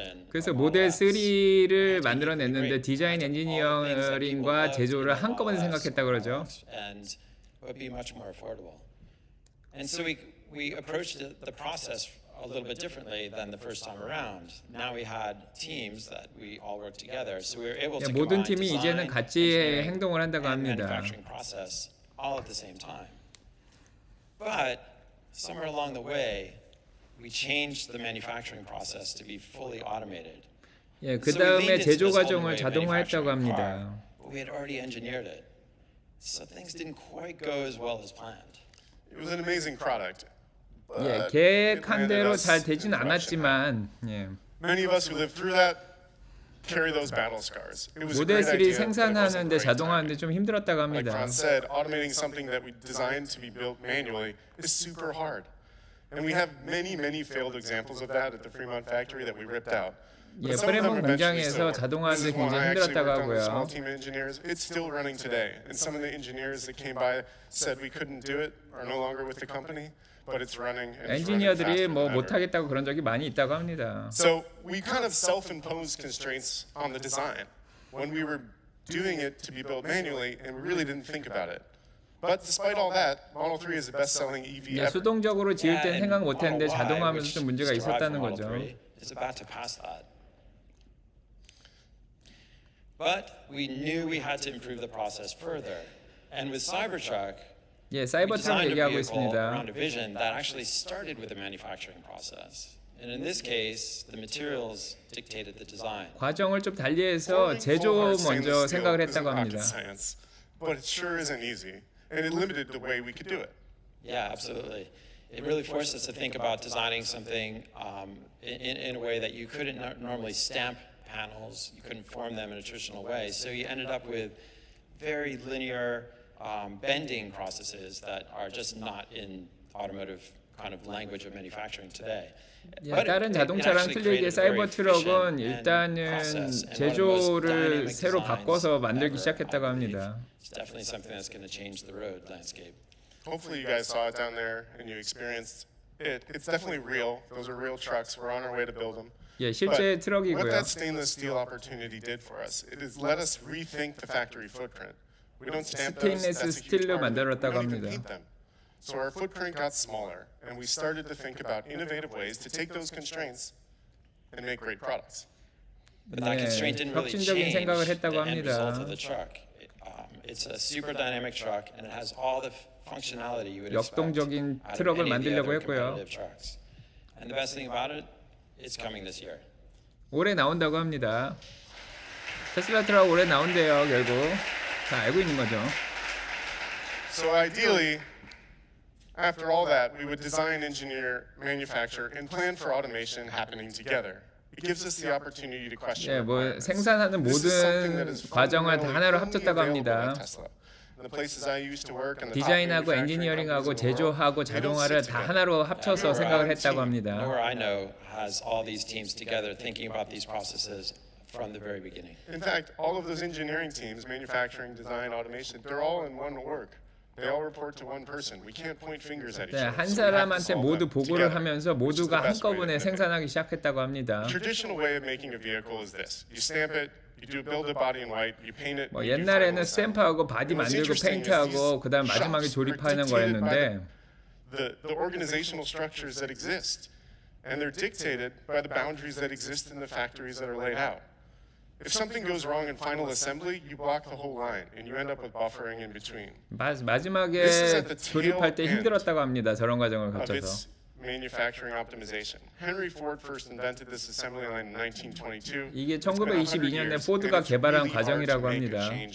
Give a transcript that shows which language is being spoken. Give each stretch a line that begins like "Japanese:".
Korean: 그래서 모델 3를 만들어냈는데 디자인 엔지니어링과 제조를 한꺼번에 생각했다고 그러죠.
English: And would be much more affordable. And so we approached the process a little bit differently than the first time around. Now we had teams that we all worked together, so we were able to combine.
Korean: 모든 팀이 이제는 같이 행동을 한다고 합니다.
English: All at the same time, but somewhere along the way, we changed the manufacturing process to be fully automated.
Korean: 예, 그 다음에 제조 과정을 자동화했다고 합니다.
English: We had already engineered it, so things didn't quite go as well as planned. It was an amazing product.
Korean: 예, 계획한 대로 잘 되진 않았지만, 예.
English: Many of us who lived through that. Carry those battle scars. It was
Korean: 모델 3
English: idea,
Korean: 생산하는데 자동화하는데 좀 힘들었다고 합니다.
English: Like Ron said, automating something that we designed to be built manually is super hard. And we have many, many failed examples of that at the Fremont factory that we ripped out. But
Korean: 예, 프레몬 공장에서 자동화하는데 굉장히 힘들었다고 하고요.
English: Small team engineers, it's still running today. And some of the engineers that came by said we couldn't do it are no longer with the company. But it's running.
Korean: 엔지니어들이 뭐 못하겠다고 그런 적이 많이 있다고 합니다.
English: So we kind of self-imposed constraints on the design when we were doing it to be built manually, and we really didn't think about it. But despite all that, Model 3 is the best-selling EV ever.
Korean: 수동적으로 지을 때는 생각 못했는데 자동화하면서 좀 문제가 있었다는 거죠.
English: It's about to pass that. But we knew we had to improve the process further, and with Cybertruck.
Korean: 예, 사이버트럭 얘기하고 있습니다.
English: A vision that actually started with the manufacturing process. And in this case, the materials dictated the design.
Korean: 과정을 좀 달리해서 제조 먼저 생각을 했다고 합니다.
English: But it sure isn't easy. And it limited the way we could do it. Yeah, absolutely. It really forced us to think about designing something in a way that you couldn't normally stamp panels, you couldn't form them in a traditional way. So you ended up with very linear bending processes that are just not in automotive kind of language of manufacturing today. Yeah, but
Korean: 다른 자동차랑 틀리게 사이버트럭은 일단은 제조를 새로 바꿔서 만들기 시작했다고 합니다.
English: It's definitely something that's going to change the road landscape. Hopefully you guys saw it down there and you experienced it. It's definitely real. Those are real trucks. We're on our way to build them.
Korean: 예, 실제 트럭이고요.
English: What that stainless steel opportunity did for us, it has let us rethink the factory footprint. We don't stamp those.
Korean: Stainless steel로 만들었다고 합니다.
English: So our footprint got smaller, and we started to think about innovative ways to take those constraints and make great products. But that constraint didn't really change the end result of the truck. It's a super dynamic truck, and it has all the functionality you would expect out of any of the other competitive trucks. And the best thing about it, it's coming this year.
Korean: 올해 나온다고 합니다. 테슬라 트럭 올해 나온대요, 결국. 다 알고 있는 거죠.
English: So ideally, after all that, we would design, engineer, manufacture, and plan for automation happening together. It gives us the opportunity to question.
Korean: 예, 뭐 생산하는 모든 과정을 다 하나로 합쳤다고 합니다.
English: The places I used to work,
Korean: 디자인하고 엔지니어링하고 제조하고 자동화를 다 하나로 합쳐서 생각을 했다고 합니다.
English: Nor I know has all these teams together thinking about these processes. From the very beginning. In fact, all of those engineering teams, manufacturing, design, automation, they're all in one org. They all report to one person. We can't point fingers at each other.
Korean: 한 사람한테 모두 보고를 하면서 모두가 한꺼번에 생산하기 시작했다고 합니다.
English: Traditional way of making a vehicle is this. You stamp it. You do build a body in white, you paint it.
Korean: 뭐 옛날에는 스탬프하고 바디 만들고 페인트하고 그다음 마지막에 조립하는 거였는데
English: the organizational structures that exist and they're dictated by the boundaries that exist in the factories that are laid out. If something goes wrong in final assembly, you block the whole line and you end up with buffering in between.
Korean: 마지막에 조립할 때 힘들었다고 합니다. 저런 과정을 거쳐서.
English: Manufacturing optimization. Henry Ford first invented this assembly line in 1922.
Korean: 이게 1922년에 포드가 개발한 과정이라고 합니다.